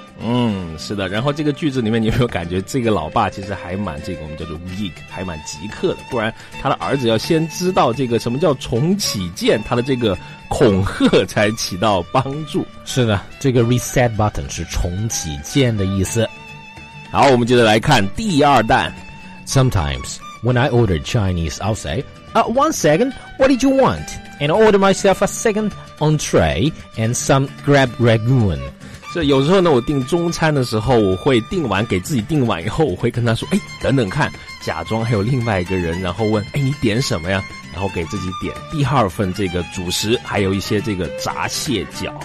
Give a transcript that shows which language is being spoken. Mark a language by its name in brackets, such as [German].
[Chinese] 嗯，是的。然后这个句子里面你有没有感觉这个老爸其实还蛮这个我们叫做 geek， 还蛮极客的，不然他的儿子要先知道这个什么叫重启键，他的这个恐吓才起到帮助。是的，这个 reset button 是重启键的意思。好，我们接着来看第二段。 [English] Sometimes when I order Chinese I'll say one second, what did you want? And I order myself a second entree and some crab rangoon。 [Chinese] 这有时候呢我订中餐的时候，我会订完，给自己订完以后，我会跟他说，哎，等等看，假装还有另外一个人，然后问，哎，你点什么呀，然后给自己点第二份这个主食，还有一些这个炸蟹脚。